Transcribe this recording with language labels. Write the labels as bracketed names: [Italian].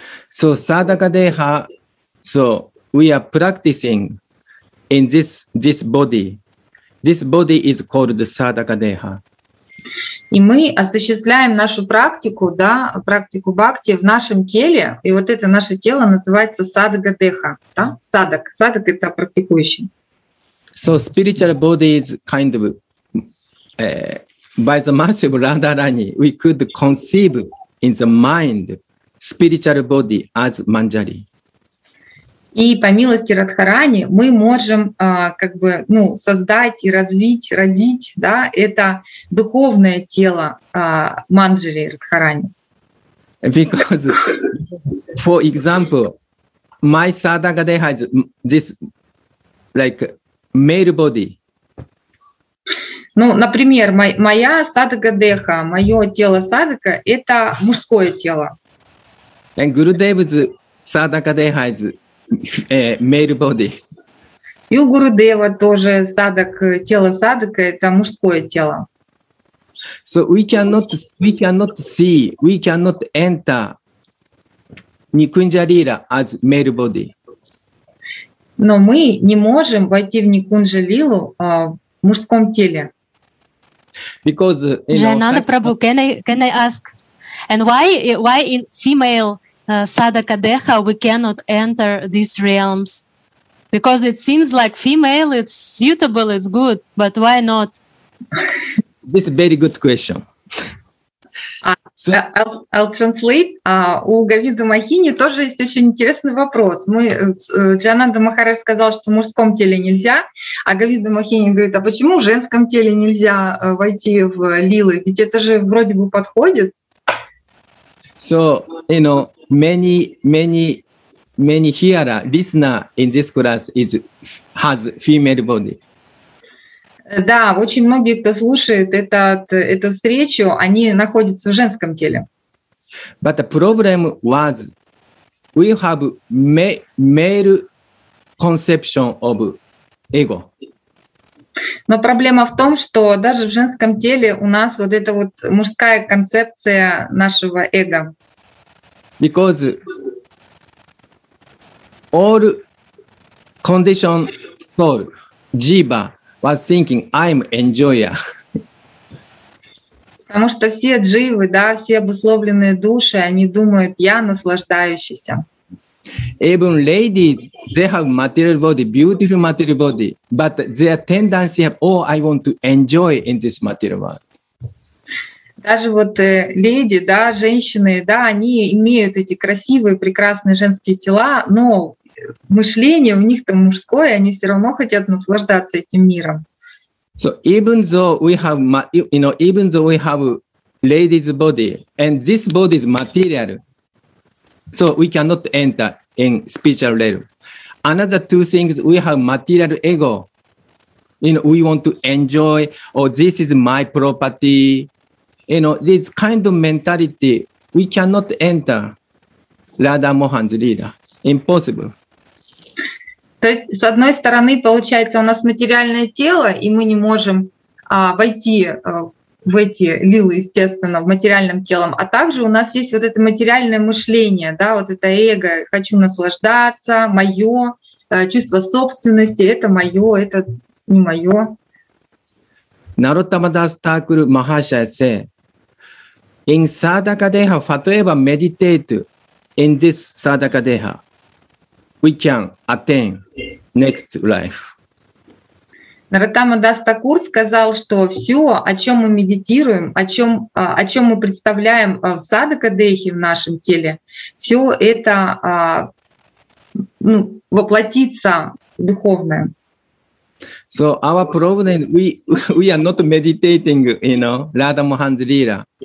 [English] So Саддхадеха, so we are practicing in this body. This body is called Саддхадеха. [Russian] И мы осуществляем нашу практику, да, практику бхакти в нашем теле, и вот это наше тело называется Саддхадеха, да? Саддак. Саддак — это практикующий. [English] So spiritual body is kind of by the mercy of Radharani, we could conceive in the mind spiritual body as Manjari. [Russian] И по милости Радхарани мы можем как бы, ну, создать и развить, родить, да, это духовное тело Манджари Радхарани. [English] Because, for example, my Саддхадеха is this like male body. [Russian] Ну, например, моя Саддхадеха, мое тело Саддака — это мужское тело. [English] And Gurudev's Саддхадеха is male body. [Russian] И у Гурудева тоже садак, тело садака — это мужское тело. [English] So we cannot see, we cannot enter Никунджалила as male body. [Russian] Но мы не можем войти в Никунджалилу в мужском теле. [English] Because, you know, Jayananda Prabhu, can I ask, and why in female Саддхадеха we cannot enter these realms, because it seems like female, it's suitable, it's good, but why not? This is a very good question. So, I'll translate. [Russian] У Говинды Махини тоже есть очень интересный вопрос. Мы Джананда Махарадж сказал, что в мужском теле нельзя, а Говинда Махини говорит, а почему в женском теле нельзя войти в лилы? Ведь это же вроде бы подходит. [English] So, you know, many hearer, listener in this class has female body. [Russian] Да, очень многие, кто слушает эту встречу, они находятся в женском теле. [English] But the problem was, we have male conception of ego. [Russian] Но проблема в том, что даже в женском теле у нас вот эта вот мужская концепция нашего эго. [English] Because all conditioned soul, jiva, was thinking, I'm enjoyer. [Russian] Потому что все дживы, да, все обусловленные души, они думают, я наслаждающийся. [English] Even ladies, they have material body, beautiful material body, but their tendency have, oh, I want to enjoy in this material world. [Russian] Даже вот леди, да, женщины, да, они имеют эти красивые, прекрасные женские тела, но мышление у них-то мужское, они все равно хотят наслаждаться этим миром. [English] So even though we have, you know, even though we have ladies' body, and this body is material, so we cannot enter in spiritual realm. Another two things, we have material ego. You know, we want to enjoy, or this is my property. You know, this kind of mentality, we cannot enter Radha Mohan's Lila. Impossible. [Russian] То есть, с одной стороны, получается, у нас материальное тело, и мы не можем войти в эти лилы, естественно, в материальном теле. А также у нас есть вот это материальное мышление, да, вот это эго, хочу наслаждаться, мое, чувство собственности, это мое, это не мое. [English] Narottama Das Thakur Mahashaya said, in Саддхадеха, whatever meditate in this Саддхадеха, we can attain next life. [Russian] Narottama Das Thakur сказал, что все, о чем мы медитируем, о чем мы представляем в Саддхадехе в нашем теле, все это ну, воплотится духовное. [English] So our problem, we are not meditating, you know, Radha Mohan's Lila.